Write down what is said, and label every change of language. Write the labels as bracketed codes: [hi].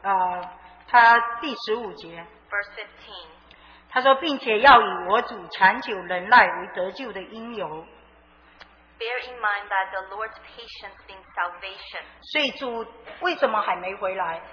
[zh] 就是讲到就是说，主，他第十五节 [en] ，Verse 15， [zh] 他说，并且要以我主长久忍耐为得救的因由。 [en] Bear in mind that the Lord's patience means salvation. [zh] 所以主为什么还没回来？